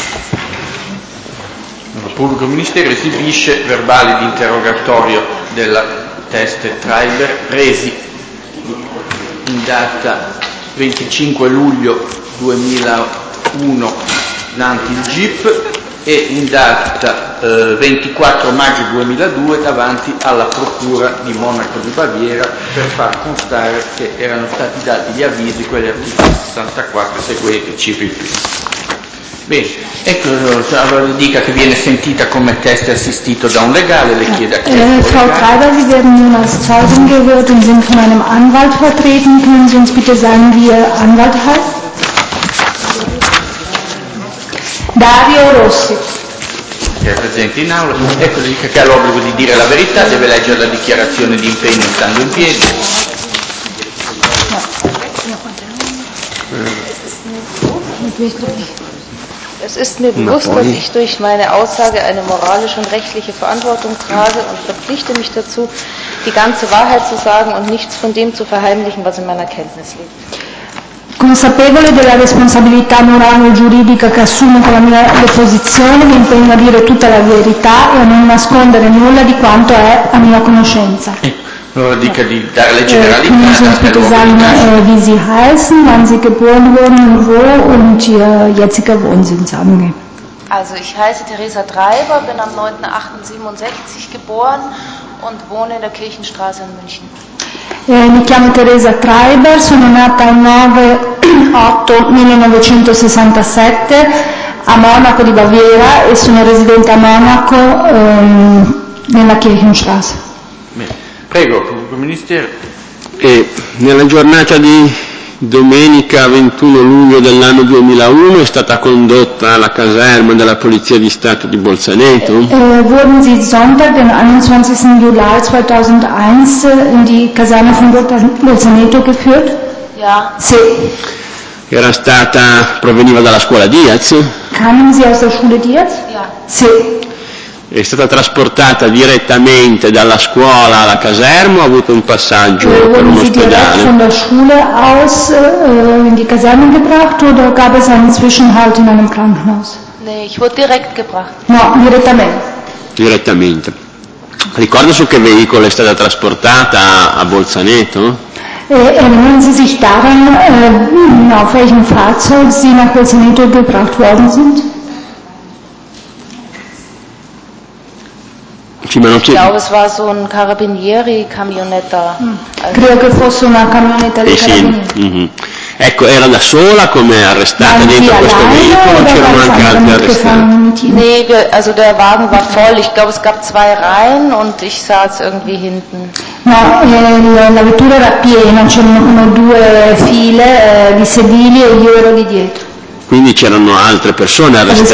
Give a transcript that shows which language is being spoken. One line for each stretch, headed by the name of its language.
Italian: Il pubblico ministero esibisce verbali di interrogatorio della test Treiber resi in data 25 luglio 2001 davanti il GIP e in data 24 maggio 2002 davanti alla Procura di Monaco di Baviera per far constare che erano stati dati gli avvisi, quelli articoli 64 seguenti, ci ripeto. Bene, ecco, allora dica che viene sentita come test assistito da un legale, le chieda che...
German: Frau Treiber, Sie werden nun als Zeugin gehört und sind von einem Anwalt vertreten. Können Sie uns bitte sagen, wie Ihr Anwalt heißt?
Italian: Dario Rossi. Che è presente in aula. Ecco, le dica che ha l'obbligo di dire la verità, deve leggere la dichiarazione di impegno stando in piedi.
German: Es ist mir bewusst, dass ich durch meine Aussage eine moralische und rechtliche Verantwortung trage und verpflichte mich dazu, die ganze Wahrheit zu sagen und nichts von dem zu verheimlichen, was in meiner Kenntnis liegt.
Italian: Consapevole della responsabilità morale e giuridica che assumo con la mia deposizione, mi impegno a dire tutta la verità e a non nascondere nulla di quanto è a mia conoscenza. Allora dica di dare le generalità.
German: Wie Sie heißen, wann Sie geboren wurden und wo und Ihr jetziger Wohnsitz angeht. Also ich heiße Theresa Treiber, bin am 9.8.67 geboren und wohne in der Kirchenstraße in München.
Italian: Mi chiamo Theresa Treiber, sono nata il 9.8.1967 a Monaco di Baviera e sono residente a Monaco nella Kirchenstraße. Prego, pubblico ministero. E nella giornata di domenica 21 luglio dell'anno 2001 è stata condotta alla caserma della Polizia di Stato di Bolzaneto.
German: Wurden Sie Sonntag, den 21. Juli 2001, in die Kaserne von Bolzaneto geführt? Ja.
Italian: Sì. Era stata, proveniva dalla scuola Diaz.
German: Kamen Sie aus der Schule Diaz? Ja.
Italian: Sì. È stata trasportata direttamente dalla scuola alla caserma o ha avuto un passaggio per un ospedale?
German: Von der Schule aus in die Kaserne gebracht oder gab es einen Zwischenhalt in einem Krankenhaus? Nee, ich wurde direkt gebracht.
Italian: No, direttamente. Direttamente. Ricorda su che veicolo è stata trasportata a Bolzaneto?
German: Erinnern Sie sich daran, auf welchem Fahrzeug Sie nach Bolzaneto gebracht worden sind? Ich glaube, es war so ein Carabinieri-Camionetta.
Italian: Credo che fosse una camionetta di Carabinieri. Ecco, era da sola come arrestata dentro questo veicolo, c'erano anche altri arrestati.
German: Nee, also der Wagen war voll. Ich glaube, es gab zwei Reihen und ich saß irgendwie hinten.
Italian: No, la vettura era piena, c'erano due file di sedili e io ero di dietro. Quindi c'erano altre persone arrestate.